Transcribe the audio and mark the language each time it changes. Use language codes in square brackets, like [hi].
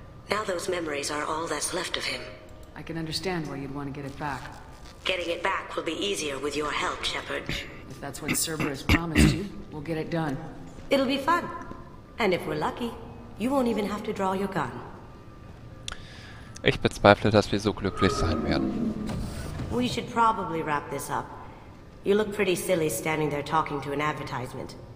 [en] Now those memories are all that's left of him. I can understand why you'd want to get it back. Getting it back will be easier with your help, Shepard. If that's what Cerberus promised you, we'll get it done. It'll be fun. And if we're lucky, you won't even have to draw your gun. [de] Ich bezweifle, dass wir so glücklich sein werden. [en] We should probably wrap this up. You look pretty silly standing there talking to an advertisement.